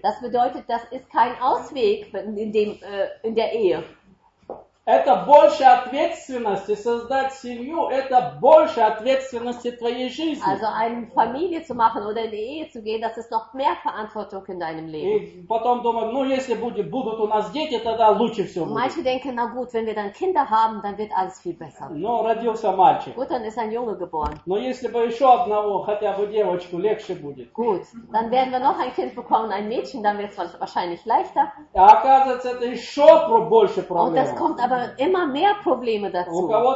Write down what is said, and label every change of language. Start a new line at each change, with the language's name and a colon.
German: Das bedeutet, das ist kein Ausweg in der Ehe.
Russian: Это больше ответственности создать семью, это больше ответственности твоей жизни.
German: Also eine Familie zu machen oder in die Ehe zu gehen, das ist noch mehr Verantwortung in deinem Leben.
Russian: И потом думают, ну если будут у нас дети, тогда лучше все будет.
German: Manche denken, na gut, wenn wir dann Kinder haben, dann wird alles viel besser.
Russian: Но родился мальчик.
German: Gut, dann ist ein Junge geboren.
Russian: Но если бы еще одного, хотя бы девочку, легче будет.
German: Gut, dann werden wir noch ein Kind bekommen, ein Mädchen, dann wird es wahrscheinlich leichter.
Russian: А оказывается, это еще больше проблем.
German: Aber immer mehr Probleme dazu.